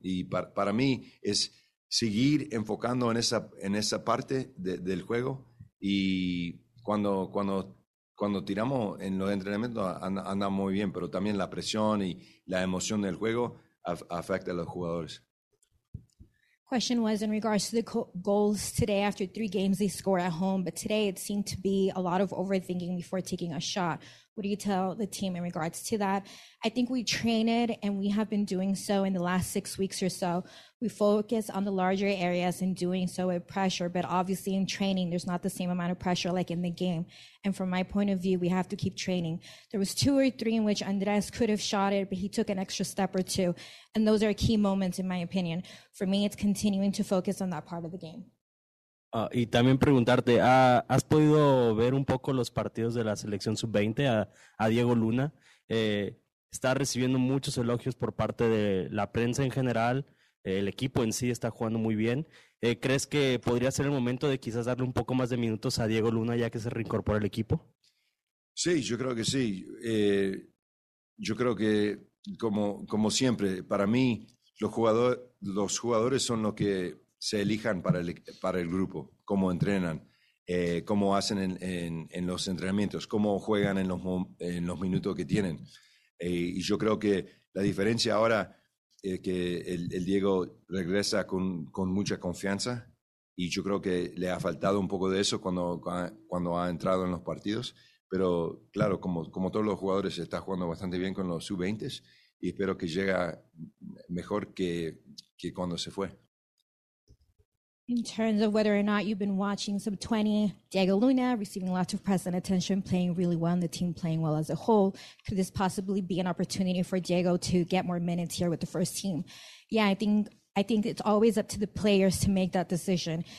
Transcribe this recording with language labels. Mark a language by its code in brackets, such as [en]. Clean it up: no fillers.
[es] Y para mí es seguir enfocando en esa parte del juego. Y cuando tiramos en los entrenamientos, anda muy bien, pero también la presión y la emoción del juego afecta a los jugadores. [en] Question was in regards to the goals today. After 3 games, they scored at home, but today it seemed to be a lot of overthinking before taking a shot. What do you tell the team in regards to that? I think we trained and we have been doing so in the last 6 weeks or so. We focus on the larger areas and doing so with pressure, but obviously in training, there's not the same amount of pressure like in the game. And from my point of view, we have to keep training. There was 2 or 3 in which Andres could have shot it, but he took an extra step or two. And those are key moments, in my opinion. For me, it's continuing to focus on that part of the game. [es] Y también preguntarte, ¿has podido ver un poco los partidos de la selección sub-20 a Diego Luna? Está recibiendo muchos elogios por parte de la prensa en general, el equipo en sí está jugando muy bien. ¿Crees que podría ser el momento de quizás darle un poco más de minutos a Diego Luna ya que se reincorpora al equipo? Sí, yo creo que sí. Yo creo que, como siempre, para mí los jugadores son los que se elijan para el grupo, cómo entrenan, cómo hacen en los entrenamientos, cómo juegan en los minutos que tienen. Y yo creo que la diferencia ahora es que el Diego regresa con mucha confianza, y yo creo que le ha faltado un poco de eso cuando ha entrado en los partidos. Pero claro, como todos los jugadores, está jugando bastante bien con los sub-20 y espero que llegue mejor que cuando se fue. [en] In terms of whether or not you've been watching sub-20, Diego Luna receiving lots of press and attention, playing really well, and the team playing well as a whole, could this possibly be an opportunity for Diego to get more minutes here with the first team? Yeah, I think it's always up to the players to make that decision.